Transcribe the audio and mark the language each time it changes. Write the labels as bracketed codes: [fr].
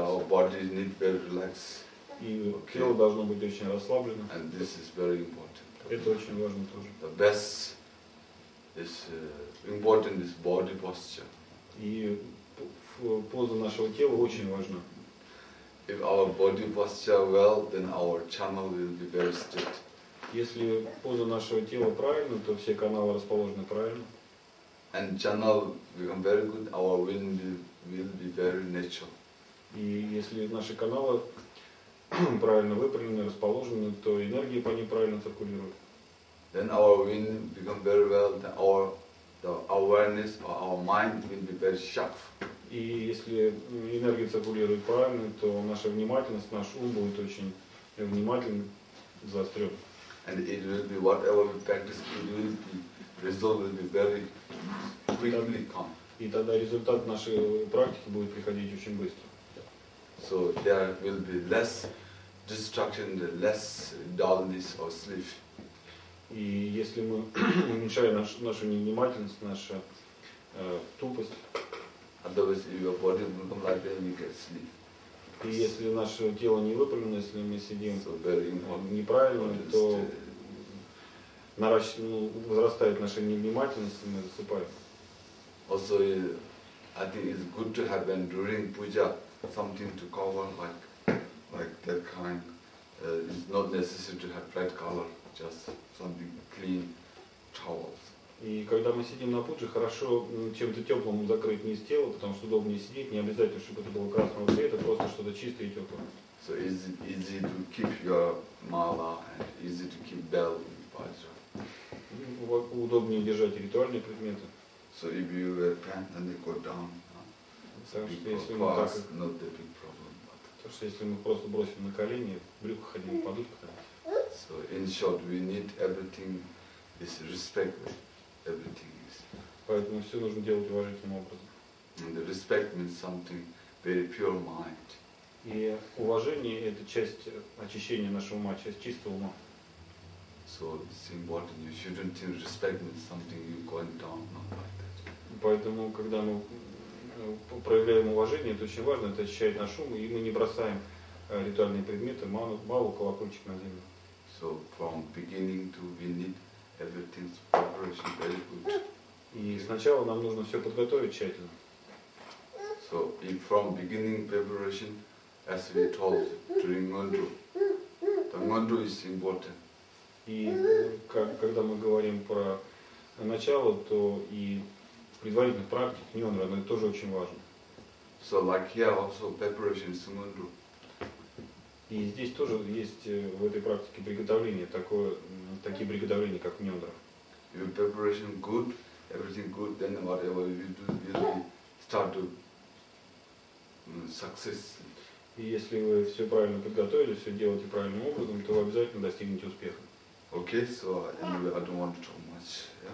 [en] Our bodies need very relaxed. [ru] И тело должно быть очень расслаблено. [en] And this is very important. [ru] Это очень важно тоже. [en] The best is important is body posture. [ru] И поза нашего тела очень важна. [en] If our body posture well, then our channel will be very straight. [ru] Если поза нашего тела правильна, то все каналы расположены правильно. [en] And channel become very good, our wind will be very natural. [ru] И если наши каналы правильно выпрямлены, расположены, то энергия по ним правильно циркулирует. [en] Then our wind become very well, then our the awareness or our mind will be very sharp. [ru] И если энергия циркулирует правильно, то наша внимательность, наш ум будет очень внимательным, заострен. [en] And it will be whatever we practice, it will be result will be very quickly come. [ru] И тогда результат нашей практики будет приходить очень быстро. [en] So there will be less distraction, less dullness or sleep. [ru] И если мы уменьшаем нашу невнимательность, наша тупость. [en] Otherwise, if your body will become like that, you get sleep. [ru] И если наше тело не выпрямлено, если мы сидим неправильно, то возрастает наша невнимательность, и мы засыпаем. [en] Also, I think it's good to have when during puja something to cover like that kind. It's not necessary to have red color, just something clean towels. [ru] И когда мы сидим на пудже, хорошо чем-то теплым закрыть низ тела, потому что удобнее сидеть, не обязательно, чтобы это было красного цвета, просто что-то чистое и теплое. [en] So easy to keep your mala and easy to keep bell in vajra. [ru] удобнее держать ритуальные предметы. [en] So if you repent and go down, [ru] то что если мы просто бросим на колени, брюки ходим, падут куда. [en] So in short, we need everything is respectful. Everything is. [ru] Поэтому все нужно делать уважительным образом. [en] And the respect means something very pure mind. [ru] И уважение – это часть очищения нашего ума, часть чистого ума. [en] So it's important. You shouldn't think respect means something you going down, not like that. [ru] Поэтому, когда мы проявляем уважение, это очень важно, это очищает наш ум, и мы не бросаем ритуальные предметы, мало колокольчик на землю. [en] So from beginning to we need everything's preparation very good. [ru] И сначала нам нужно все подготовить тщательно. [en] So if from beginning preparation, as we told during mantra, the mantra is important. [ru] И когда мы говорим про начало, то и предварительных практик, ньонра, но это тоже очень важно. [en] So like here also preparation is mantra. [ru] И здесь тоже есть в этой практике приготовление, такие приготовления, как ньонра. [en] Your preparation good, everything good, then whatever you do, you start to success. [ru] И если вы все правильно подготовили, все делаете правильным образом, то вы обязательно достигнете успеха. [en] Okay, so anyway, I don't want to talk much.